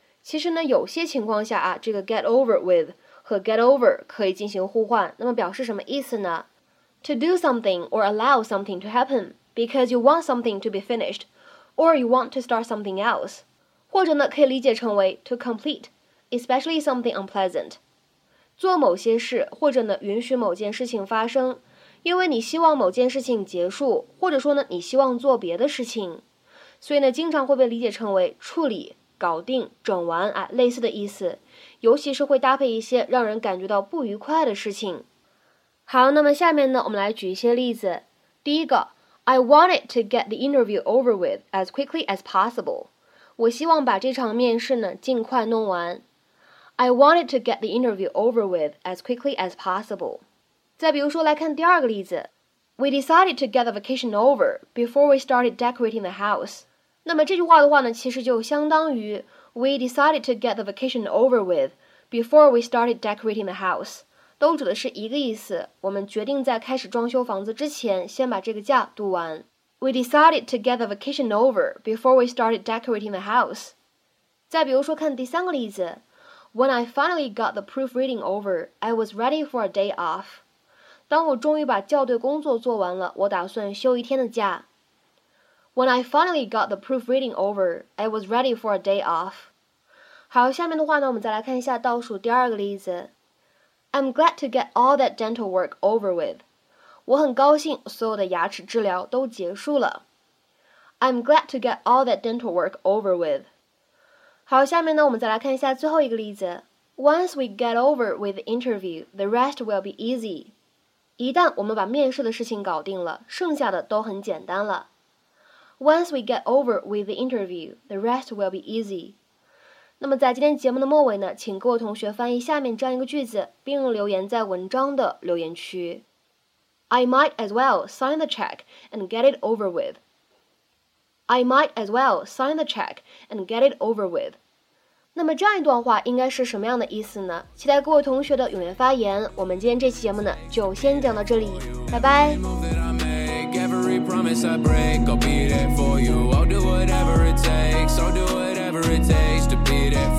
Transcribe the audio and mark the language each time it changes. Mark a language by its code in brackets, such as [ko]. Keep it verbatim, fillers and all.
[zh] 其实呢，有些情况下啊，这个 get over with 和 get over 可以进行互换，那么表示什么意思呢？ [en] To do something or allow something to happen because you want something to be finished or you want to start something else. [zh] 或者呢可以理解成为 [en] to complete, especially something unpleasant. [zh] 做某些事或者呢允许某件事情发生，因为你希望某件事情结束，或者说呢你希望做别的事情。所以呢经常会被理解成为处理、搞定、整完啊类似的意思，尤其是会搭配一些让人感觉到不愉快的事情。好，那么下面呢我们来举一些例子。第一个 [en] I wanted to get the interview over with as quickly as possible. [zh] 我希望把这场面试呢尽快弄完。 [en] I wanted to get the interview over with as quickly as possible. [zh] 再比如说来看第二个例子。 [en] We decided to get the vacation over before we started decorating the house. [zh] 那么这句话的话呢其实就相当于 [en] We decided to get the vacation over with before we started decorating the house. [zh] 都指的是一个意思，我们决定在开始装修房子之前先把这个假度完。 [en] We decided to get the vacation over before we started decorating the house. [zh] 再比如说看第三个例子 [en] When I finally got the proofreading over, I was ready for a day off. [zh] 当我终于把校对工作做完了，我打算休一天的假。 [en] When I finally got the proofreading over, I was ready for a day off. [zh] 好，下面的话呢，我们再来看一下倒数第二个例子。 [en] I'm glad to get all that dental work over with. [zh] 我很高兴所有的牙齿治疗都结束了。 [en] I'm glad to get all that dental work over with. [zh] 好，下面呢，我们再来看一下最后一个例子。 [en] Once we get over with the interview, the rest will be easy. [zh] 一旦我们把面试的事情搞定了，剩下的都很简单了。 [en] Once we get over with the interview, the rest will be easy. [zh] 那么在今天节目的末尾呢，请各位同学翻译下面这样一个句子，并留言在文章的留言区。 [en] I might as well sign the check and get it over with. I might as well sign the check and get it over with. [zh] 那么这样一段话应该是什么样的意思呢？期待各位同学的踊跃发言。我们今天这期节目呢，就先讲到这里，拜拜。 [en] Every promise I break, I'll be there for you. I'll do whatever it takes. I'll do whatever it takes to be there.